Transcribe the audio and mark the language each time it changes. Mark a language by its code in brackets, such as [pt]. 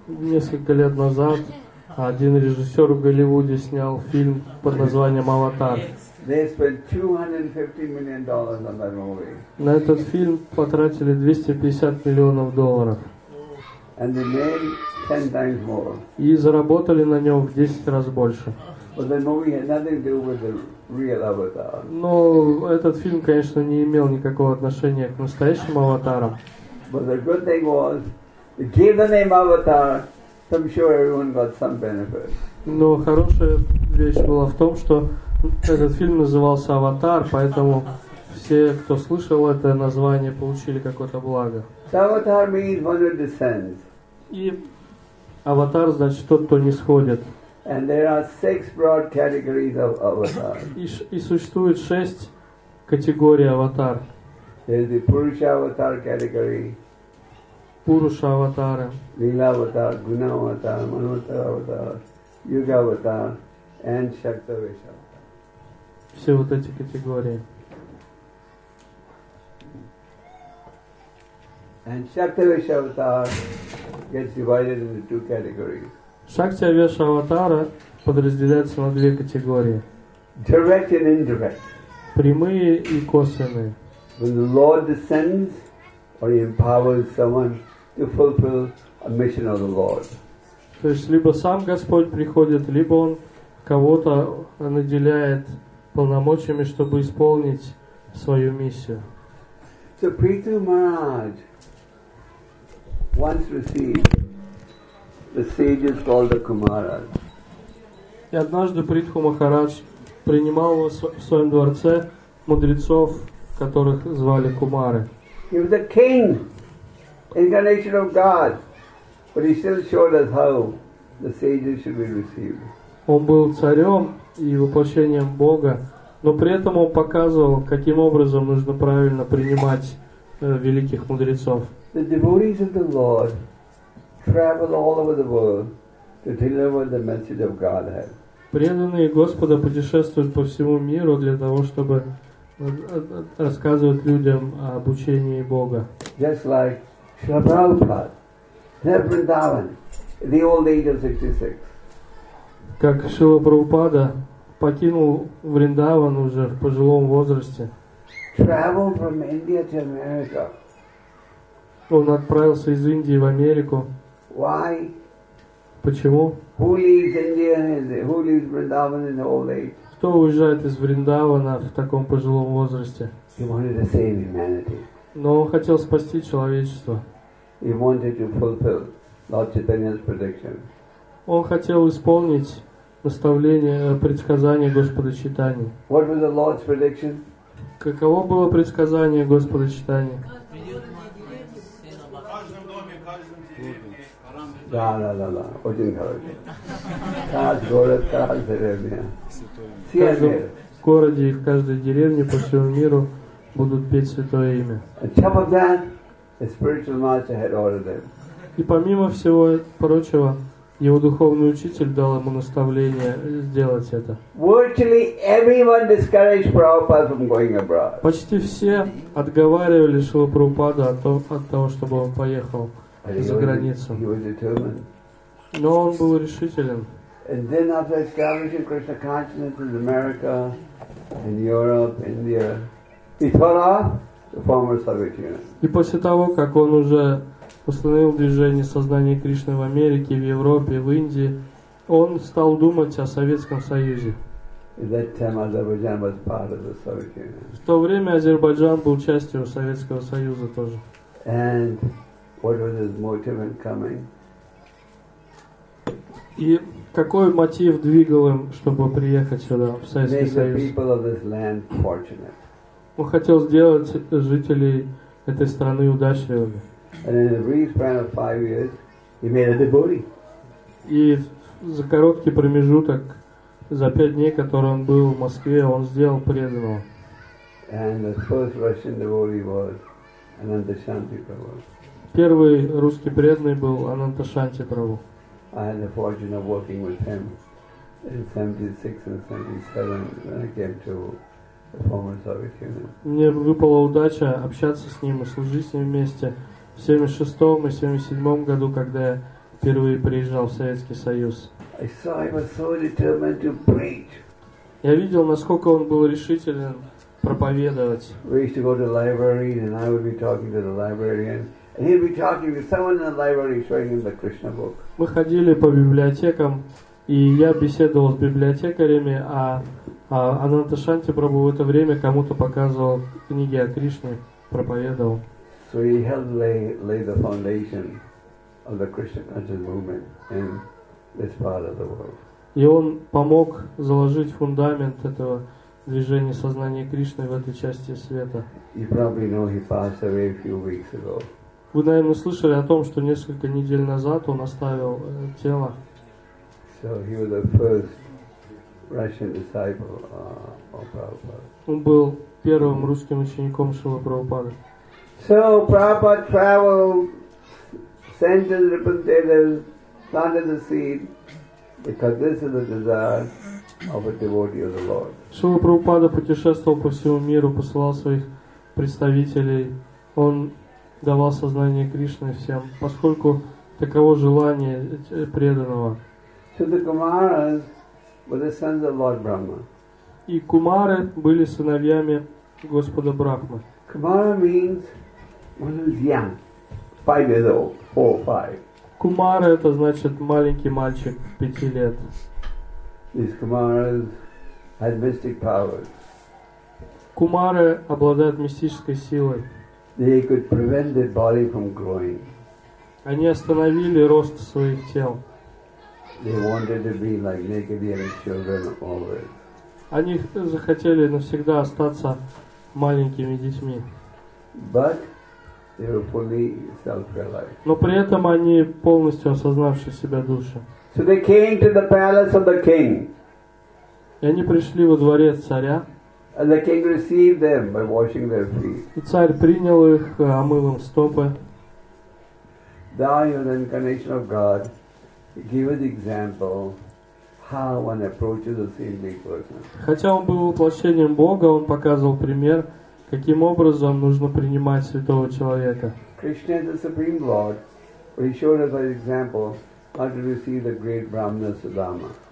[ru] Несколько лет назад один режиссер в Голливуде снял фильм под названием «Аватар». [en] They spent $250 million on that movie. [ru] На этот фильм потратили 250 миллионов долларов. [en] And they made 10 times more. [ru] И заработали на нем в 10 раз больше. [en] But the movie had nothing to do with the real Avatar. [ru] Но этот фильм, конечно, не имел никакого отношения к настоящим аватарам. [en] But the good thing was, they gave the name Avatar, so I'm sure everyone got some benefit. [ru] Но хорошая вещь была в том, что этот фильм назывался «Аватар», поэтому все, кто слышал это название, получили какое-то благо. [en] Avatar means one who descends. [ru] И «Аватар» значит тот, кто не сходит. [en] And there are 6 broad categories of Avatar. [ru] И существует 6 категорий «Аватар». [en] There's the Purusha Avatar category. [ru] Пуруша аватары. Лила Аватар, Гуна Аватар, Манватар Аватар, Юга Аватар, and Шакта Веша. Все вот эти категории. [en] And Shakti Vesha Avatar gets divided into 2 categories. [ru] Shakti Vesha Avatar подразделяется на 2 категории. [en] Direct and indirect. [ru] Прямые и косвенные. [en] When the Lord descends or he empowers someone to fulfill a mission of the Lord. [ru] То есть либо сам Господь приходит, либо он кого-то наделяет полномочиями, чтобы исполнить свою миссию. [en] So Prithu Maharaj once received the sages called the Kumaras. [ru] И однажды Притху Махарадж принимал в своем дворце мудрецов, которых звали Кумары. [en] He was a king, incarnation of God, but he still showed us how the sages should be received. [ru] Он был царем и воплощением Бога. Но при этом он показывал, каким образом нужно правильно принимать великих мудрецов. [en] The devotees of the Lord travel all over the world to deliver the message of Godhead. [ru] Преданные Господа путешествуют по всему миру для того, чтобы рассказывать людям об учении Бога. [en] Just like Srila Prabhupada, Vrindavan, the old age of 66. [ru] Как Шрила Прабхупада покинул Вриндаван уже в пожилом возрасте. [en] Travel from India to America. [ru] Он отправился из Индии в Америку. [en] Why? [ru] Почему? [en] Who leaves India and who leaves Vrindavan in old age? [ru] Кто уезжает из Вриндавана в таком пожилом возрасте? [en] He wanted to save humanity. [ru] Но он хотел спасти человечество. [en] He wanted to fulfill Lord Chaitanya's prediction. [ru] Он хотел исполнить наставление, предсказание Господа Читания. [en] What was the Lord's prediction? [ru] Каково было предсказание Господа Читания? В каждом доме, в каждом деревне. Да. Очень хорошо. Каждый город, каждая деревня. В каждом городе и в каждой деревне по всему миру будут петь Святое Имя. [en] On top of that, the spiritual master had ordered them. [ru] И помимо всего прочего, его духовный учитель дал ему наставление сделать это. [en] Virtually everyone discouraged Prabhupada from going abroad. [ru] Почти все отговаривали Шрилу Прабхупаду от того, чтобы он поехал за границу. [en] He was determined. [ru] Но он был решителен. [en] And then after establishing Krishna consciousness in America, in Europe, India, he thought of the former Soviet Union. [ru] И после того, как он уже установил движение сознания Кришны в Америке, в Европе, в Индии, он стал думать о Советском Союзе. В то время Азербайджан был частью Советского Союза тоже. [en] And what was his motive in coming? [ru] И какой мотив двигал им, чтобы приехать сюда, в Советский Союз? [en] Make the people of this land fortunate. [ru] Он хотел сделать жителей этой страны удачливыми. [en] And in a brief span of 5 years, he made a devotee. [ru] И за короткий промежуток, за 5 дней, которые он был в Москве, он сделал преданного. [en] And the first Russian devotee was Ananta Shanti Prabhu. [ru] Первый русский преданный был Ananta Shanti Prabhu. [en] I had the fortune of working with him in 76 and 77 when I came to [ru] Мне выпала удача общаться с ним и служить с ним вместе в 76-м и 77-м году, когда я впервые приезжал в Советский Союз. Я видел, насколько он был решителен проповедовать. Мы ходили по библиотекам, и я беседовал с библиотекарями, а Анантошанти Прабху в это время кому-то показывал книги о Кришне, проповедовал. [en] So he helped lay the foundation of the Krishna consciousness movement in this part of the world. [ru] И он помог заложить фундамент этого движения сознания Кришны в этой части света. [en] You probably know he passed away a few weeks ago. [ru] Вы, наверное, слышали о том, что несколько недель назад он оставил тело. [en] So he was the first Russian disciple of Prabhupada. [ru] Он был первым русским учеником Шрилы Прабхупады. [en] So Prabhupada traveled, sent his representatives, planted the seed, because this is the desire of a devotee of the Lord. [ru] Шрила Прабхупада путешествовал по всему миру, посылал своих представителей. Он давал сознание Кришны всем, поскольку таково желание преданного. [en] So the Kumaras were the sons of Lord Brahma. [ru] И Кумары были сыновьями Господа Брахмы. [en] Kumara means when he was young, 5 years old, 4 or 5. [ru] Кумара это значит маленький мальчик, 5 лет. [en] These Kumaras had mystic powers. [ru] Кумары обладают мистической силой. [en] They could prevent their body from growing. [ru] Они остановили рост своих тел. [en] They wanted to be like naked young children always. [ru] Они захотели навсегда остаться маленькими детьми. [en] But they were fully self-realized. [ru] Но при этом они полностью осознавши себя души. [en] So they came to the palace of the king. [ru] И они пришли во дворец царя. [en] And the king received them by washing their feet. [ru] И царь принял их, омыл им стопы. [en] Thou are the incarnation of God. Give an example how one approaches a saintly person. [ru] Хотя он был воплощением Бога, он показывал пример, каким образом нужно принимать святого человека. [en] Krishna is the supreme Lord. He showed us by example how to receive the great Brahmana Sudama.